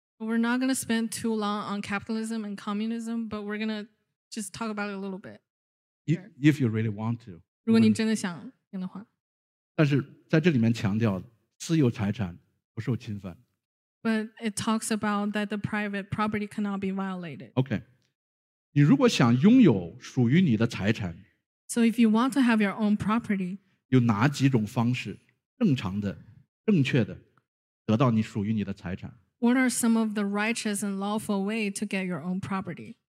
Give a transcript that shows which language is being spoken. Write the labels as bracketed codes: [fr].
[en] We're not going to spend too long on capitalism and communism, but we're going to just talk about it a little bit. If you really want to. [zh] 如果你真的想听的话。但是在这里面强调私有财产不受侵犯。 [en] But it talks about that the private property cannot be violated. Okay. [zh] 你如果想拥有属于你的财产。 [en] So if you want to have your own property. [zh] 有哪几种方式正常的、正确的得到你属于你的财产。 [en] What are some of the righteous and lawful ways to get your own property?